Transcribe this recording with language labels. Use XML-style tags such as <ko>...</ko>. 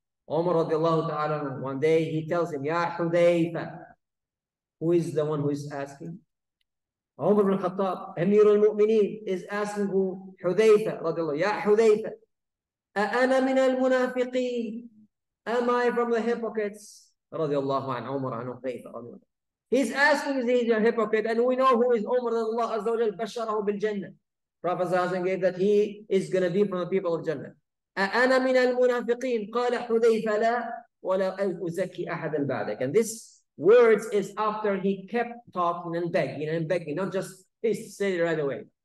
<en>Umar radiallahu ta'ala, one day he tells him, ya Hudhayfah, who is the one who is asking? Umar ibn Khattab, Amir al-Mu'mineen, is asking who? Hudhayfah radiallahu, ya Hudhayfah.</en> <ar>أَأَنَا مِنَ الْمُنَافِقِينَ</ar> <en>Am I from the hypocrites?</en> <ar>رضي الله عن عمر عن حذيفة رضي الله عنه.</ar> <en>He's asking, is he a hypocrite? And we know who is Umar, that Allah Azza wa Jalla basharahu bil Jannah. Prophet Sallallahu Alaihi Wasallam gave that he is going to be from the people of Jannah.</en> <ar>أَأَنَا مِنَ الْمُنَافِقِينَ قَالَ حُذَيْفَ لَا وَلَا أُزَكِّي أَحَدًا بَعْدَكَ</ar> <en>And this words is after he kept talking and begging and begging, not just he said it right away.</en>